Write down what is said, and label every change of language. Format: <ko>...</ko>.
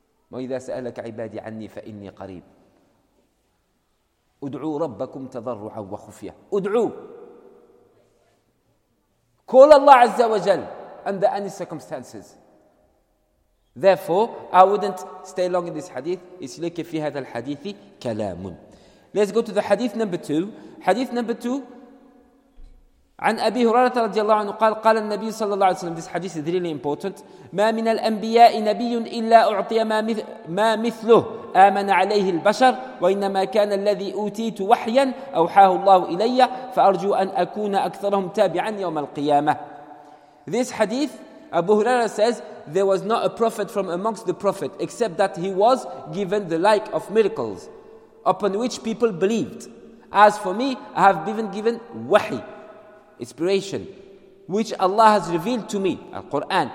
<ar>وَإِذَا سَأَلَكَ عِبَادِي عَنِّي فَإِنِّي قَرِيبٌ ادعوا ربكم تضرعا وخفيا. ادعوا.</ar> <en>Call Allah Azza wa Jal under any circumstances. Therefore, I wouldn't stay long in this hadith. It's like</en> <ar>في هذا الحديث كلام.</ar> <en>Let's go to the hadith number two. Hadith number two.</en> <ar>عن أبي هريرة رضي الله عنه قال قال النبي صلى الله عليه وسلم.</ar> <en>This hadith is really important.</en> <ar>ما من الأنبياء نبي إلا أعطي ما مثله آمن عليه البشر وإنما كان الذي أوتيت وحيا أوحاه الله إلي فأرجو أن أكون أكثرهم تابعا يوم القيامة.</ar> <en>This hadith, Abu Huraira says, there was not a prophet from amongst the prophet except that he was given the like of miracles upon which people believed. As for me, I have been given wahi, inspiration, which Allah has revealed to me, Al-Quran.</en>